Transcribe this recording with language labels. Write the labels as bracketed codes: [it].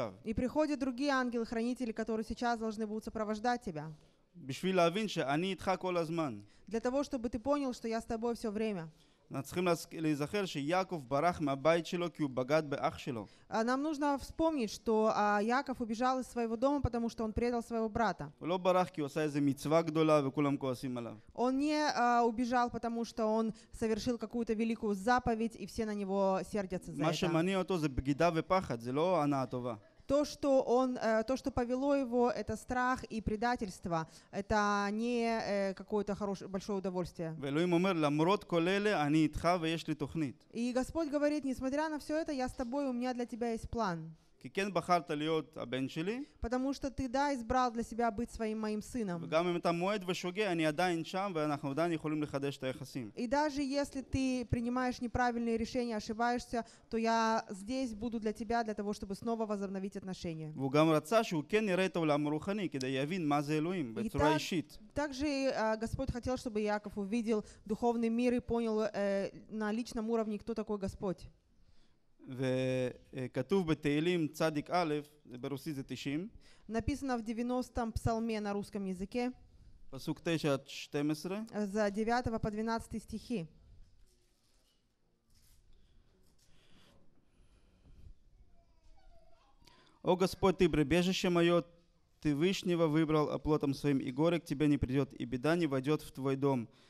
[ru] И приходят другие ангелы-хранители, которые сейчас должны будут сопровождать тебя. [he] בשביל להבין שאני איתך כל הזמן. [ru] Для того, чтобы ты понял, что я с тобой все время. [he] אנחנו צריכים להיזכר שיעקב ברח מהבית שלו כי הוא בגד באח שלו. [ru] Нам нужно вспомнить, что Яков убежал из своего дома, потому что он предал своего брата. [he] הוא לא ברח כי הוא עשה איזה מצווה גדולה וכולם כועסים עליו. [ru] Он не убежал, потому что он совершил какую-то великую заповедь, и все на него сердятся за это. [he] מה שמניע אותו זה בגידה ופחד, זה לא הנאה טובה. [ru] То, что повело его, это страх и предательство. Это не какое-то хорошее, большое удовольствие. [he] ואלוהים אומר, למרות כל אלה, אני איתך ויש לי תוכנית. [ru] И Господь говорит, несмотря на все это, я с тобой, у меня для тебя есть план. [he] כי כן בחרת להיות הבן שלי. [ru] Потому что ты, да, избрал для себя быть своим моим сыном. [he] וגם אם אתה מועד ושוגה, אני עדיין שם, ואנחנו עדיין יכולים לחדש את היחסים. [ru] И даже если ты принимаешь неправильные решения, ошибаешься, то я здесь буду для тебя, для того, чтобы снова возобновить отношения. [he] והוא גם רצה שהוא כן יראה את העולם הרוחני, כדי יבין מה זה אלוהים, בצורה אישית. [ru] Также Господь хотел, чтобы Яков увидел духовный мир и понял на личном уровне, кто такой Господь. [he] וכתוב בתהילים צדיק א', ברוסית זה 90. [ru] написано в 90-м псалме на русском языке. [he] Пасук 9-12. [ru] З 9 по 12 стихи. О Господь, ты прибежище мое, ты Вышнего выбрал оплотом своим, и горе к тебе не придет, и беда не войдет в твой дом.